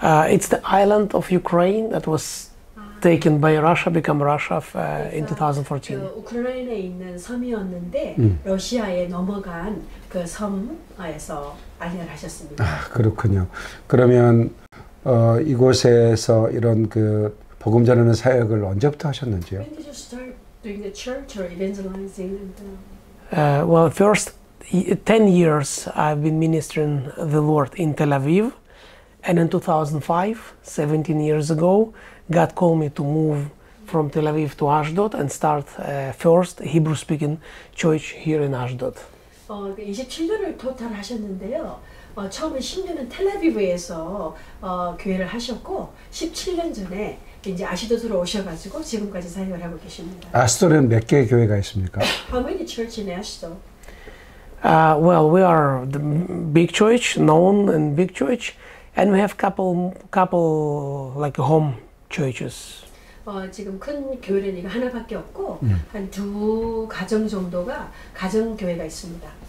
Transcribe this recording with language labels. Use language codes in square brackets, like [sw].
[en] It's the island of Ukraine that was taken by Russia, become Russia in 2014. [ko] 우크라이나에 있는 섬이었는데 러시아에 넘어간 그 섬에서 안내를 하셨습니다. 아, 그렇군요. 그러면 이곳에서 이런 그 복음 전하는 사역을 언제부터 하셨는지요? [en] When did you start doing the church or evangelizing? First 10 years I've been ministering the Lord in Tel Aviv, and in 2005, 17 years ago, God called me to move from Tel Aviv to Ashdod and start first Hebrew-speaking church here in Ashdod. [ko] 27년을 토탈 하셨는데요. 처음에 10년은 텔아비브에서 교회를 하셨고, 17년 전에 이제 아시도트로 오셔가지고 지금까지 사역을 하고 계십니다. 아스돌은 몇개 교회가 있습니까? [en] How many churches in Ashdod? We are the big church, known and big church, and we have couple like home churches. [ko] 지금 큰 교회는 이거 하나밖에 없고 한두 가정 정도가 가정 교회가 있습니다.